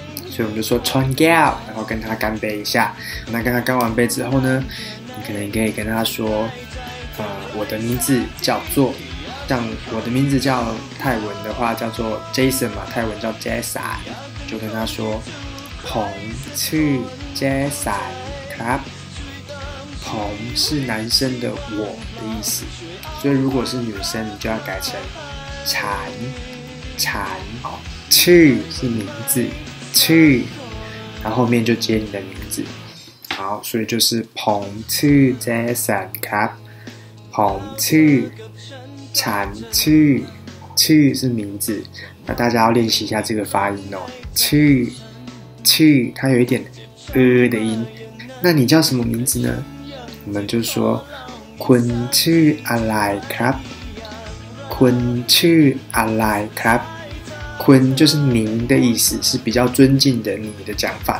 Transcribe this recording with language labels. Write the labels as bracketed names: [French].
[Chinese] 所以我们就说 [Thai] ชนแก้ว， [Chinese] 然后跟他干杯一下。那跟他干完杯之后呢，你可能可以跟他说，我的名字叫做，像我的名字叫泰文的话叫做 Jason 嘛，泰文叫 Jason， 就跟他说 [Thai] ผม ชื่อ Jason ครับ。 ผม [Chinese] 是男生的我的意思，所以如果是女生，你就要改成 [Thai] ฉัน ฉัน。 ชื่อ [Chinese] 是名字， [Thai] ชื่อ [Chinese] 然后后面就接你的名字。好，所以就是 [Thai] ผม ชื่อ Jason ครับ。 ผม ชื่อ ฉัน ชื่อ ชื่อ [Chinese] 是名字。那大家要练习一下这个发音哦， [Thai] ชื่อ ชื่อ [Chinese] 它有一点的音。那你叫什么名字呢？我们就说坤次阿來 [Thai] ครับ。 [Chinese] 坤次阿來 [Thai] ครับ。 [Chinese] 坤就是您的意思，是比较尊敬的你的讲法。